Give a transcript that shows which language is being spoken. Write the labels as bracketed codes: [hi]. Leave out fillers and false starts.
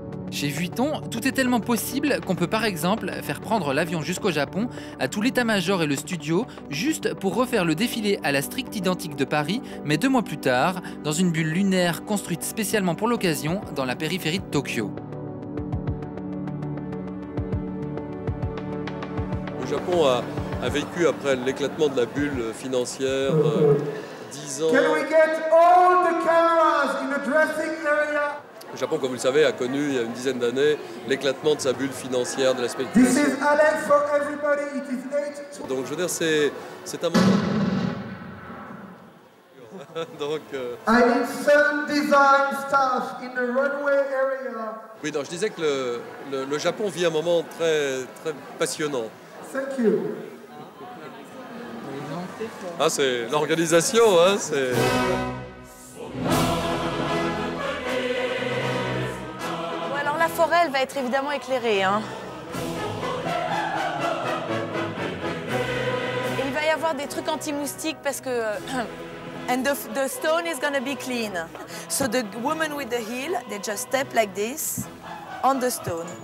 [fr] Chez Vuitton, tout est tellement possible qu'on peut par exemple faire prendre l'avion jusqu'au Japon à tout l'état-major et le studio juste pour refaire le défilé à la stricte identique de Paris, mais 2 mois plus tard, dans une bulle lunaire construite spécialement pour l'occasion dans la périphérie de Tokyo. Le Japon a vécu, après l'éclatement de la bulle financière, 10 ans... [en] Can we get all the cameras in the dressing area? [fr] Le Japon, comme vous le savez, a connu, il y a une dizaine d'années, l'éclatement de sa bulle financière, de la spéculation. [en] This is Alex for everybody, it is 8... [fr] Donc, je veux dire, c'est un moment... Donc, [en] I need some design stuff in the runway area. [fr] Oui, donc, je disais que le Japon vit un moment très, très passionnant. [en] Thank you. [fr] Ah, c'est l'organisation, hein, c'est... Bon, alors la forêt, elle va être évidemment éclairée, hein. Et il va y avoir des trucs anti-moustiques parce que... [en] And the stone is gonna be clean. So the woman with the heel, they just step like this on the stone.